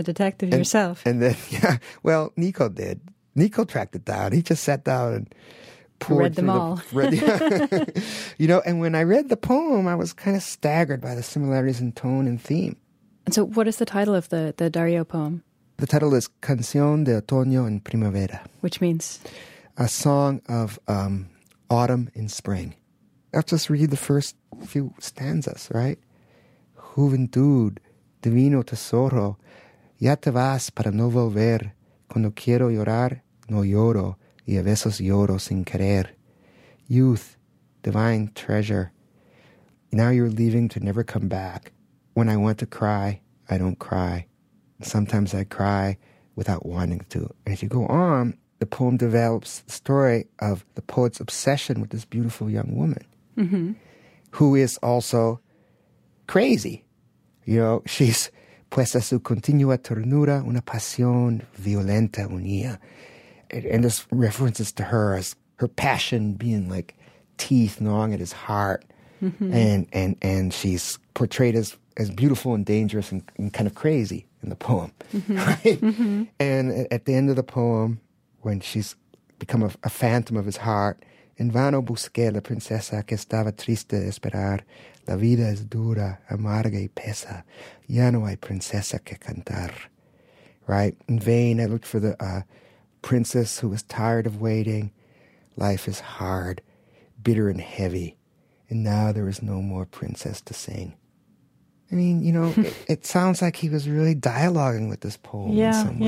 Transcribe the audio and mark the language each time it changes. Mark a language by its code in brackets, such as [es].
[en] A detective and, yourself. And then, Nico did. Nico tracked it down. He just sat down and read them all. You know, and when I read the poem, I was kind of staggered by the similarities in tone and theme. And so what is the title of the Darío poem? The title is Canción de Otoño en Primavera. Which means? A song of autumn in spring. I'll just read the first few stanzas, right? [es] Juventud, divino tesoro, ya te vas para no volver. Cuando quiero llorar, no lloro. Y a veces lloro sin querer. [en] Youth, divine treasure. Now you're leaving to never come back. When I want to cry, I don't cry. Sometimes I cry without wanting to. And if you go on, the poem develops the story of the poet's obsession with this beautiful young woman, mm-hmm. who is also crazy. You know, she's [es] pues a su continua ternura, una pasión violenta unía. [en] And this references to her as her passion being like teeth gnawing at his heart. Mm-hmm. And she's portrayed as beautiful and dangerous and kind of crazy in the poem. Mm-hmm. Right? Mm-hmm. And at the end of the poem, when she's become a phantom of his heart, [es] en vano busqué la princesa que estaba triste de esperar. La vida es dura, amarga y pesa. Ya no hay princesa que cantar. [en] Right? In vain, I looked for the princess who was tired of waiting. Life is hard, bitter and heavy. And now there is no more princess to sing. I mean, you know, it sounds like he was really dialoguing with this poem in some way.